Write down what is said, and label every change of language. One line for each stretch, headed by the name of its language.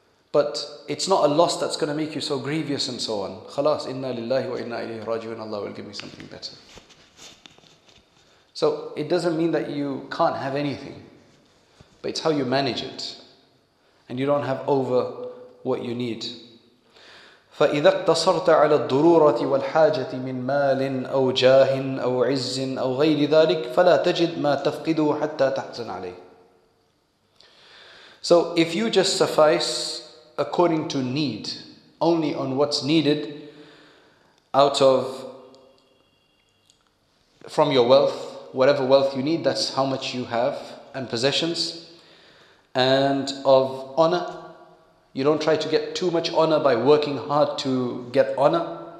English: But it's not a loss that's going to make you so grievous and so on.
Arabic: خلاص إنا لله وإنا إليه راجعون,
English: Allah will give me something better. So it doesn't mean that you can't have anything, but it's how you manage it, and you don't have over what you need.
Arabic: فإذا اقتصرت على الضرورة والحاجة من مال أو جاه أو عز أو غير ذلك فلا تجد ما تفقده حتى تحزن عليه.
English: So if you just suffice according to need, only on what's needed from your wealth, whatever wealth you need, that's how much you have and possessions, and of honor, you don't try to get too much honor by working hard to get honor.